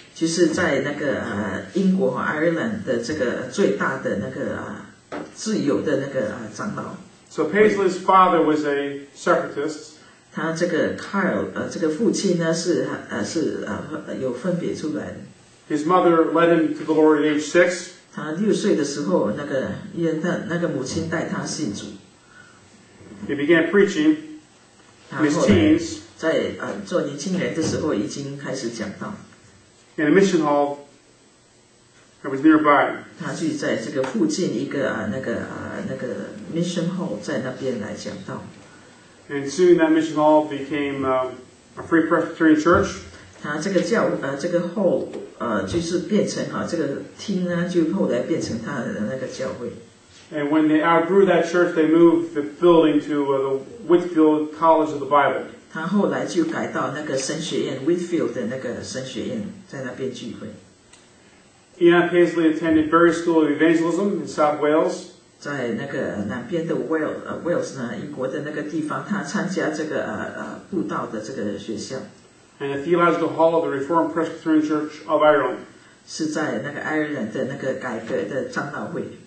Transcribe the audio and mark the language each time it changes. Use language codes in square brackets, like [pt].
[zh] 就是在那个英国Ireland的这个最大的那个自由的那个长老。 [en] So Paisley's father was a separatist. [zh] 他这个Kyle这个父亲呢是有分别出来的。 [en] His mother led him to the Lord at age 6. [zh] 他六岁的时候，那个母亲带他信主。 [en] He began preaching in his teens. [zh] 在做年轻人的时候已经开始讲道。 [en] In a mission hall that was nearby. [zh] 他就在这个附近一个那个 mission hall在那边来讲道。 [en] And soon that mission hall became a Free Presbyterian Church. [zh] 他这个教，这个后，就是变成哈，这个厅呢，就后来变成他的那个教会。 [en] And when they outgrew that church, they moved the building to the Whitfield College of the Bible. [zh] 他后来就改到那个神学院, Whitfield的那个神学院, 在那边聚会。 [en] Enoch Paisley attended Berry School of Evangelism in South Wales. [zh] 在那个南边的Wales呢, 英国的那个地方, 他参加这个布道的这个学校。 [en] And the Theological Hall of the Reformed Presbyterian Church of Ireland. [zh] 是在那个爱尔兰的那个改革的长老会。